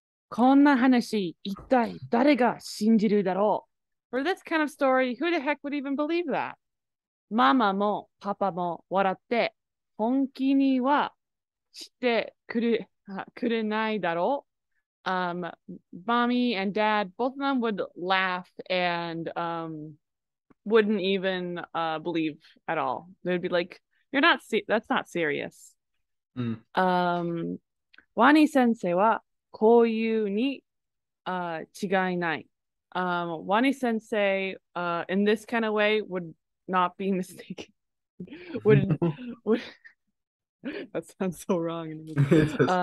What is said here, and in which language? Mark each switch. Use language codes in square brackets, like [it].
[ja] こんな話、一体誰が信じるだろう? [en] For this kind of story, who the heck would even believe that? [ja] ママもパパも笑って、本気にはしてくれないだろう? [en] Mommy and Dad, both of them would laugh and wouldn't even believe at all. They'd be like, "You're not see that's not serious." [ja] ワニ先生はこういうに違いない。 [en] ワニ先生 in this kind of way would not be mistaken. would That sounds so wrong in English.